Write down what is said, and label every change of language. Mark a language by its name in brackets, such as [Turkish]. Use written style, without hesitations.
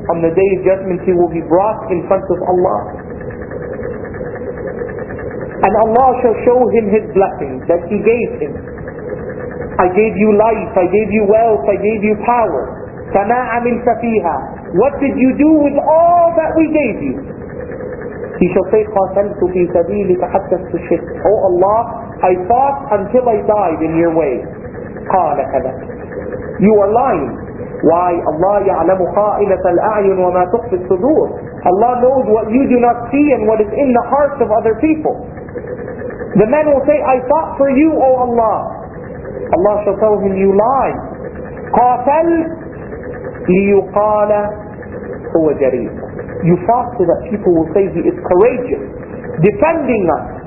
[English] On the Day of Judgment he will be brought in front of Allah, and Allah shall show him his blessings that he gave him. I gave you life, I gave you wealth, I gave you power. [Arabic] فَمَا عَمِلْتَ فِيهَا. [English] What did you do with all that we gave you? He shall say, [Arabic] قَاتَلْتُ فِي سَبِيلِكَ حَتَّى اسْتُشْهِدْ. [English] Oh Allah, I fought until I died in your way. [Arabic] قَالَ كَذَا. [English] You are lying. Why? [Arabic] Allah يَعْلَمُ خَائِنَةَ الْأَعْيُنُ وَمَا تُخْفِي الصُّدُورِ. [English] Allah knows what you do not see and what is in the hearts of other people. The man will say, I fought for you, O Allah. Allah shall tell him, you lie. [Arabic] قَاتَلْتُ لِيُقَالَ هُوَ جَرِيمٌ. [English] You fought so that people will say he is courageous, defending us.